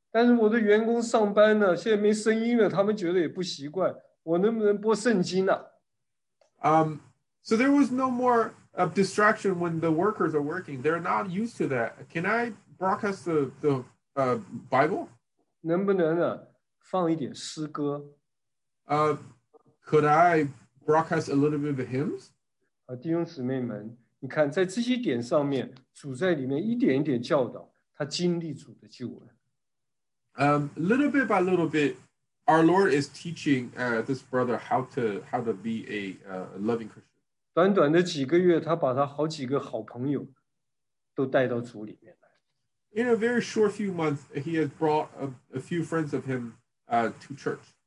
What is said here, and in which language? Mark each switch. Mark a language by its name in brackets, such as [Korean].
[Chinese] 但是我的员工上班呢，现在没声音了，他们觉得也不习惯。我能不能播圣经呢？ [English] So there was no more a distraction when the workers are working. They're not used to that. Can I broadcast the Bible? [Chinese] 能不能啊, 放一点诗歌? [English] Could I broadcast a little bit of hymns? [Chinese] 弟兄姊妹们, 你看在这些点上面, 主在里面一点一点教导, 他经历主的救恩。 [English] Little bit by little bit, our Lord is teaching this brother how to be a loving Christian. [Chinese] 短短的几个月, 他把他好几个好朋友都带到主里面来。 [English] In a very short few months, he has brought a few friends of him to church.